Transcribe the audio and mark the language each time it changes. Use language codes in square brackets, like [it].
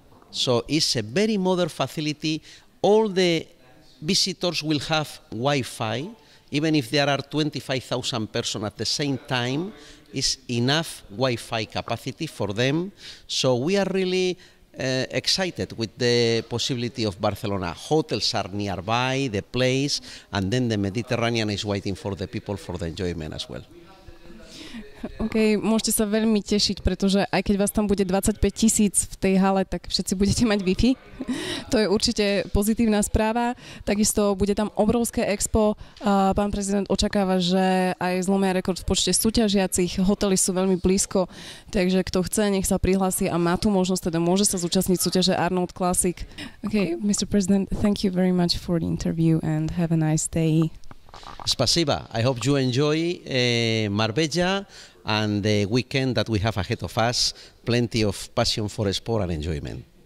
[en] So it's a very modern facility. All the visitors will have Wi-Fi, even if there are 25,000 persons at the same time. Is enough Wi-Fi capacity for them. So we are really excited with the possibility of Barcelona. Hotels are nearby, the place, and then the Mediterranean is waiting for the people for the enjoyment as well. [sk] OK, môžete sa veľmi tešiť, pretože aj keď vás tam bude 25 tisíc v tej hale, tak všetci budete mať Wi-Fi. To je určite pozitívna správa. Takisto bude tam obrovské expo. Pán prezident očakáva, že aj zlomia rekord v počte súťažiacich. Hotely sú veľmi blízko, takže kto chce, nech sa prihlási a má tú možnosť, teda môže sa zúčastniť súťaže Arnold Classic. [en] OK, Mr. President, thank you very much for the interview and have a nice day. [ru] Spasiba. [en] I hope you enjoy Marbella and the weekend that we have ahead of us. Plenty of passion for sport and enjoyment.